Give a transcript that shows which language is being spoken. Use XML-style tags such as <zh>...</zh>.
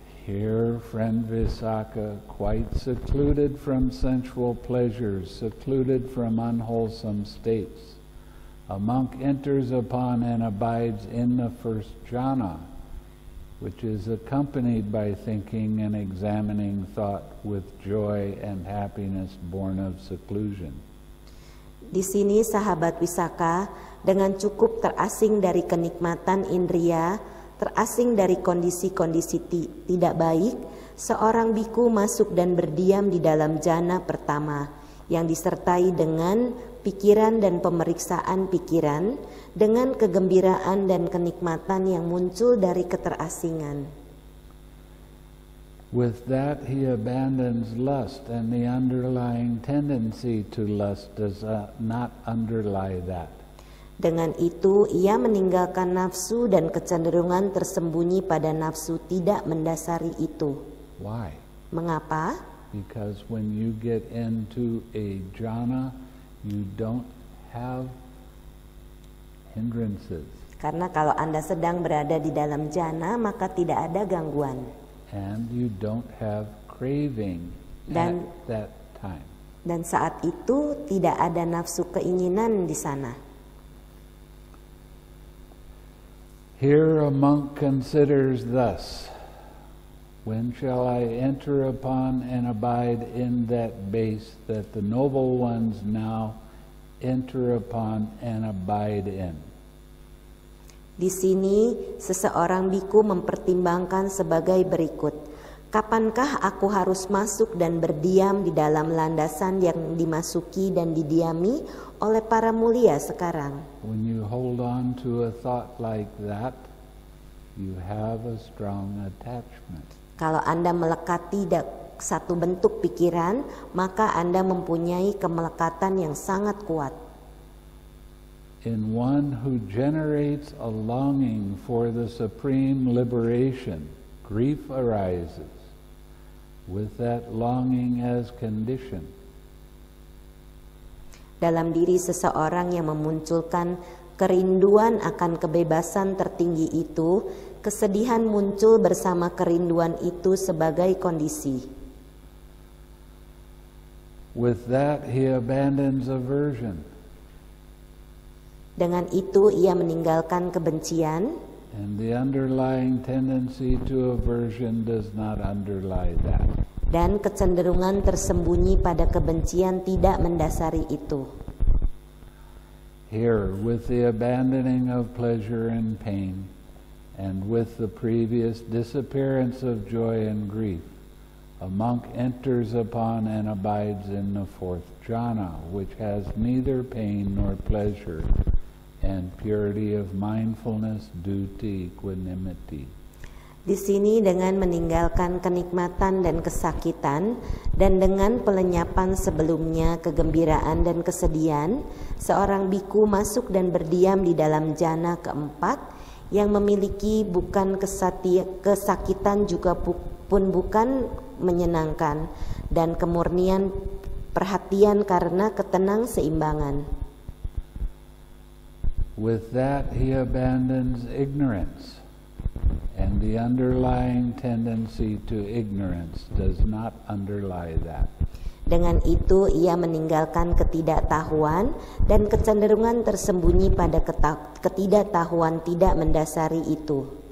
<en>Here, friend Visakha, quite secluded from sensual pleasures, secluded from unwholesome states, a monk enters upon and abides in the first jhana, which is accompanied by thinking and examining thought with joy and happiness born of seclusion.</en> <id>Di sini, sahabat Visakha, dengan cukup terasing dari kenikmatan indria, terasing dari kondisi-kondisi tidak baik, seorang bhikkhu masuk dan berdiam di dalam jhana pertama, yang disertai dengan pikiran dan pemeriksaan pikiran, dengan kegembiraan dan kenikmatan yang muncul dari keterasingan.</id> <en>With that, he abandons lust, and the underlying tendency to lust does not underlie that.</en> <id>Dengan itu, ia meninggalkan nafsu dan kecenderungan tersembunyi pada nafsu tidak mendasari itu.</id> <en>Why?</en> <id>Mengapa?</id> <en>Because when you get into a jhana, you don't have hindrances.</en> <id>Karena kalau Anda sedang berada di dalam jhana, maka tidak ada gangguan.</id> <en>And you don't have craving</en> <id>dan,</id> <en>at that time.</en> <id>Dan saat itu tidak ada nafsu keinginan di sana.</id> <en>Here a monk considers thus, when shall I enter upon and abide in that base that the noble ones now enter upon and abide in?</en> <id>Di sini, seseorang bhikkhu mempertimbangkan sebagai berikut, Kapankah aku harus masuk dan berdiam di dalam landasan yang dimasuki dan didiami oleh para mulia sekarang?</id> <en>When you hold on to a thought like that, you have a strong attachment.</en> <id>Kalau Anda melekati satu bentuk pikiran, maka Anda mempunyai kemelekatan yang sangat kuat.</id> <en>In one who generates a longing for the supreme liberation, grief arises. With that longing as condition.</en> <id>Dalam diri seseorang yang memunculkan kerinduan akan kebebasan tertinggi itu, kesedihan muncul bersama kerinduan itu sebagai kondisi.</id> <en>With that he abandons aversion.</en> <id>Dengan itu ia meninggalkan kebencian.</id> <en>And the underlying tendency to aversion does not underlie that.</en> <id>Dan kecenderungan tersembunyi pada kebencian tidak mendasari itu.</id> <en>Here, with the abandoning of pleasure and pain, and with the previous disappearance of joy and grief, a monk enters upon and abides in the fourth jhana, which has neither pain nor pleasure, and purity of mindfulness due to equanimity.</en> <id>Di sini dengan meninggalkan kenikmatan dan kesakitan, dan dengan pelenyapan sebelumnya kegembiraan dan kesedihan, seorang bhikkhu masuk dan berdiam di dalam jhana keempat, yang memiliki bukan kesakitan juga pun bukan menyenangkan, dan kemurnian perhatian karena ketenang seimbangan.</id> <en>With that he abandons ignorance, and the underlying tendency to ignorance does not underlie that.</en> <id>Dengan itu ia meninggalkan ketidaktahuan, dan kecenderungan tersembunyi pada ketidaktahuan tidak mendasari itu.</id>